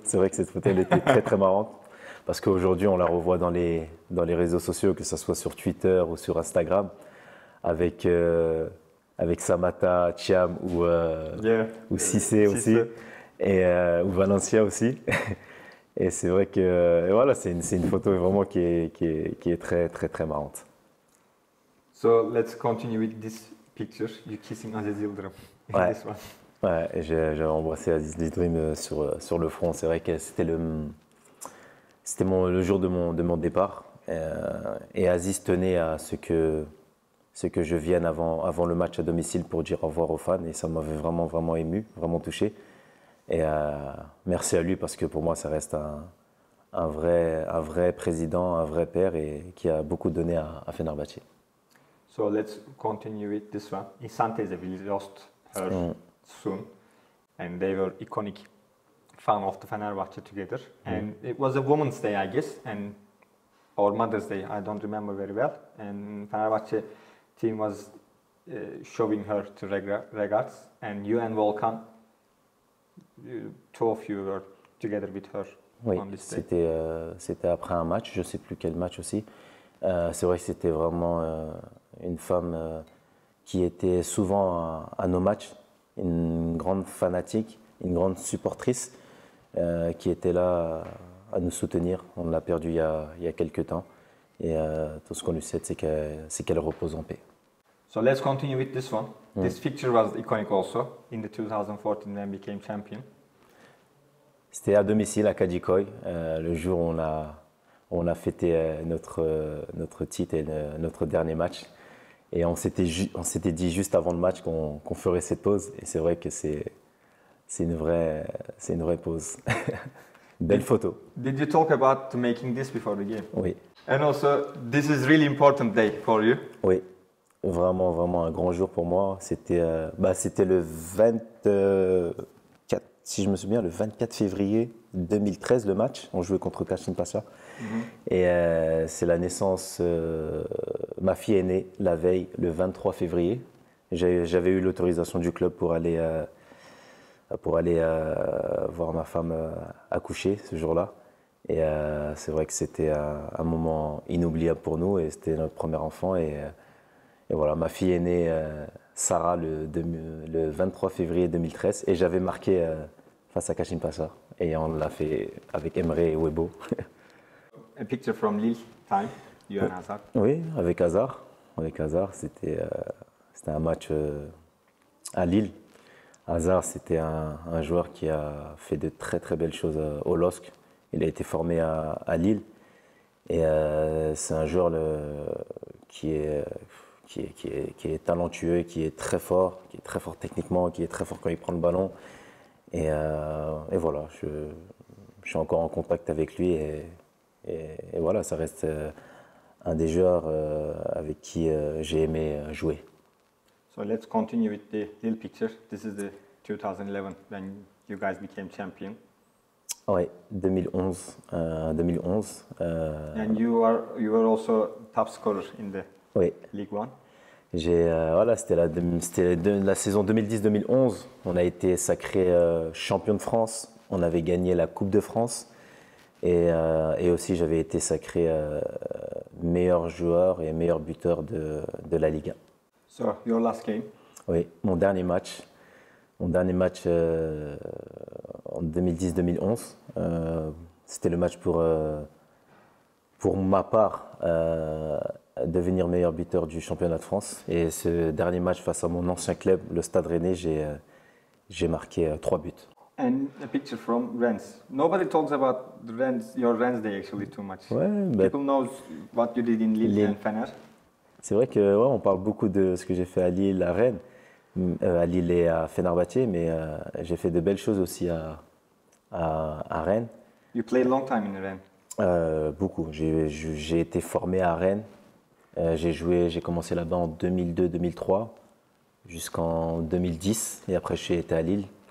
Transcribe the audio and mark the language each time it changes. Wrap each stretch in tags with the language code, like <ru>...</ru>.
<fr>C'est vrai que cette photo elle était très très marrante. Parce qu'aujourd'hui, on la revoit dans les réseaux sociaux, que ce soit sur Twitter ou sur Instagram, avec Samata, Thiam ou Cissé aussi, ou Valencia aussi. Et c'est vrai que voilà, c'est une photo vraiment qui est très, très, très marrante.</fr> <en>So, let's continue with this picture, you kissing Aziz Yıldırım.</en> <fr>Ouais, j'ai embrassé Aziz Yıldırım sur le front. C'est vrai que c'était le jour de mon départ et Aziz tenait à ce que je vienne avant le match à domicile pour dire au revoir aux fans et ça m'avait vraiment vraiment ému, vraiment touché et merci à lui parce que pour moi ça reste un vrai président, un vrai père et qui a beaucoup donné à Fenerbahçe.</fr> <en>So let's continue with this one. In Santese, we lost her soon and they were iconic fan of the Fenerbahçe together, and it was a Women's Day, I guess, and or Mother's Day, I don't remember very well. And Fenerbahçe team was showing her to regards, and you and Volkan, two of you were together with her.</en> <fr>Oui,</fr> <en>on this day.</en> <fr>C'était après un match, je sais plus quel match aussi. C'est vrai que c'était vraiment une femme qui était souvent à nos matchs, une grande fanatique, une grande supportrice. Qui était là à nous soutenir. On l'a perdu il y a quelques temps. Et tout ce qu'on lui souhaite, c'est qu'elle repose en paix.</fr> <en>So let's continue with this one. This picture was iconic also in the 2014 when we became champion.</en> <fr>C'était à domicile à Kadikoy, le jour où on a fêté notre titre et notre dernier match. Et on s'était dit juste avant le match qu'on ferait cette pause. Et c'est vrai que c'est une vraie pause. Belle photo.</fr> <en>Did you talk about making this before the game?</en> <fr>Oui.</fr> <en>And also, this is really important day for you.</en> <fr>Oui, vraiment, vraiment un grand jour pour moi. C'était le 24, si je me souviens, le 24 février 2013, le match. On jouait contre Kashin Pasha. Et c'est la naissance. Ma fille est née la veille, le 23 février. J'avais eu l'autorisation du club pour aller. Voir ma femme accoucher ce jour-là. Et c'est vrai que c'était un moment inoubliable pour nous et c'était notre premier enfant. Et voilà, ma fille est née Sarah le 23 février 2013 et j'avais marqué face à Kashim Pasha et on l'a fait avec Emre et Webo.</fr> <en>A picture from Lille time, you and Hazard.</en> <fr>Oui, avec Hazard. Avec Hazard, c'était un match à Lille. Hazard, c'était un joueur qui a fait de très très belles choses au LOSC. Il a été formé à Lille. Et c'est un joueur qui est talentueux, qui est très fort techniquement, qui est très fort quand il prend le ballon. Et voilà, je suis encore en contact avec lui. Et voilà, ça reste un des joueurs avec qui j'ai aimé jouer.</fr> <en>So let's continue with the little picture. This is the 2011 when you guys became champion.</en> <fr>Oui, 2011.</fr> <en>And you were also top scorer in the</en> <fr>oui.</fr> <en>League One.</en> <fr>J'ai voilà, c'était la saison 2010-2011. On a été sacré champion de France. On avait gagné la Coupe de France et aussi j'avais été sacré meilleur joueur et meilleur buteur de la Ligue 1.</fr> <en>So your last game.</en> <fr>Oui, mon dernier match. Mon dernier match en 2010-2011, c'était le match pour ma part devenir meilleur buteur du championnat de France. Et ce dernier match face à mon ancien club, le Stade Rennais, j'ai marqué 3 buts.</fr> <en>And a picture from Rennes. Nobody talks about Rennes, your Rennes day actually too much.</en> <fr>Ouais,</fr> <en>people know what you did in Lille and Fener.</en> <fr>C'est vrai que ouais, on parle beaucoup de ce que j'ai fait à Lille, à Rennes. À Lille et à Fenerbahçe, mais j'ai fait de belles choses aussi à Rennes.</fr> <en>You played long time in Rennes.</en> <fr>Beaucoup. J'ai été formé à Rennes. J'ai commencé là-bas en 2002-2003 jusqu'en 2010 et après j'ai été à Lille.</fr>